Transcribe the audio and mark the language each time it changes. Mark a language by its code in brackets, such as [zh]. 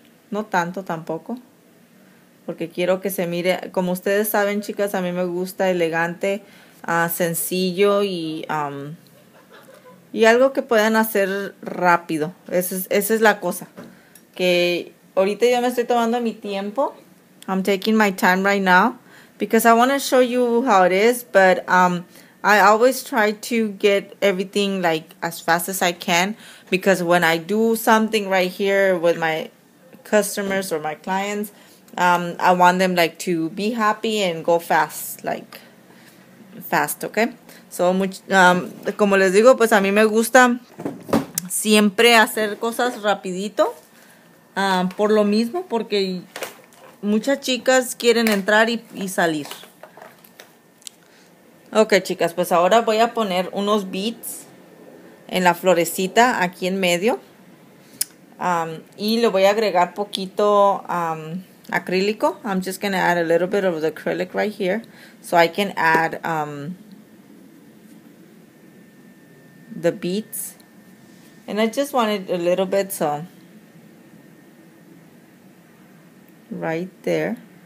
[es] No tanto tampoco. Porque quiero que se mire. Como ustedes saben, chicas, a mí me gusta elegante, sencillo y algo que puedan hacer rápido. Esa es la cosa. Que ahorita yo me estoy tomando mi tiempo. [en] I'm taking my time right now. Because I want to show you how it is, but I always try to get everything like as fast as I can, because when I do something right here with my customers or my clients, I want them like to be happy and go fast, like fast, okay? So much, [es] como les digo, pues a mí me gusta siempre hacer cosas rapidito, por lo mismo, porque muchas chicas quieren entrar y salir. Ok, chicas, pues ahora voy a poner unos beads en la florecita aquí en medio. Y le voy a agregar poquito acrílico. [en] I'm just going to add a little bit of the acrylic right here. So I can add the beads. And I just wanted a little bit, so right there.